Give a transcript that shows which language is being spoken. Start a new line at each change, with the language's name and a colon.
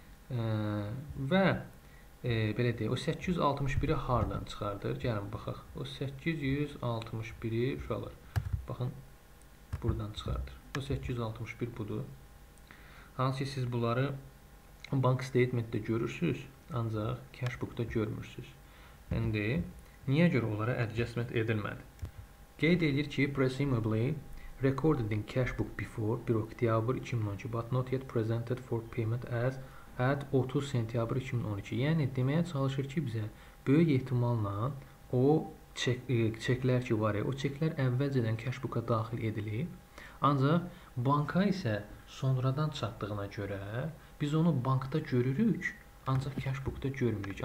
Azerbaijani: Və belə deyək, o 861-i hardan çıxardır? Gəlin baxaq. O 861-i uşaqlar. Baxın, buradan çıxardır. O 861 budur. Hansı ki siz bunları bank statementdə görürsünüz, ancaq cashbookda görmürsünüz. İndi niyə görə onlara adjustment edilmədi? Qeyd edir ki,
English: presumably recorded in cashbook before 1 October 2012 but not yet presented for payment as at 30 sentyabr 2012.
Azerbaijani: Yəni deməyə çalışır ki, bizə böyük ehtimalla o çeklər ki var ya, o çeklər əvvəlcədən cashbook-a daxil edilib. Ancaq banka isə sonradan çatdığına görə biz onu bankda görürük, ancaq cashbook-da görmürük.